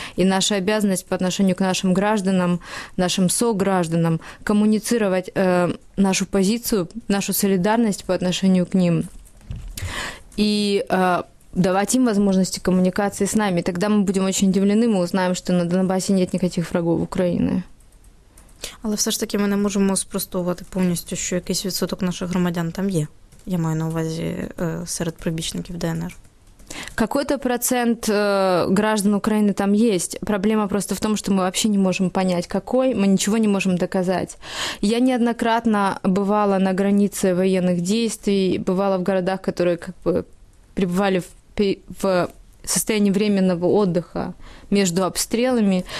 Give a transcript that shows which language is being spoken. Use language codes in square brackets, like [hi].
[ru] И наша обязанность по отношению к нашим гражданам, нашим согражданам, коммуницировать нашу позицию, нашу солидарность по отношению к ним и давать им возможности коммуникации с нами. Тогда мы будем очень удивлены, мы узнаем, что на Донбассе нет никаких врагов Украины. [uk] Але все ж таки ми не можемо спростовувати повністю, що якийсь відсоток наших громадян там є. Я маю на увазі серед прибічників ДНР. [ru] Какой-то процент граждан Украины там есть. Проблема просто в том, что мы вообще не можем понять, какой, мы ничего не можем доказать. Я неоднократно бывала на границе военных действий, бывала в городах, которые как бы пребывали в состоянии временного отдыха между обстрелами.